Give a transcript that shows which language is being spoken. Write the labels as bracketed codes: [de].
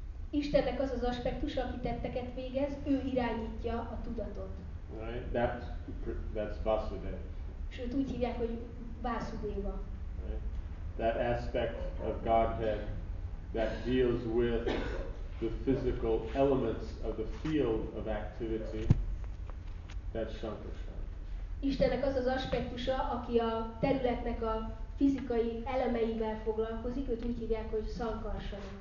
[hu] Istennek az az aspektus, aki tetteket végez, ő irányítja a tudatot. [en] Right? That's Vasudev. [hu] Sőt, úgy hívják, hogy Vasudeva. [en] Right? That aspect of Godhead that deals with the physical elements of the field of activity, that's Shankarshan. [hu] Istennek az az aspektusa, aki a területnek a fizikai elemeivel foglalkozik, őt úgy hívják, hogy Shankarshan.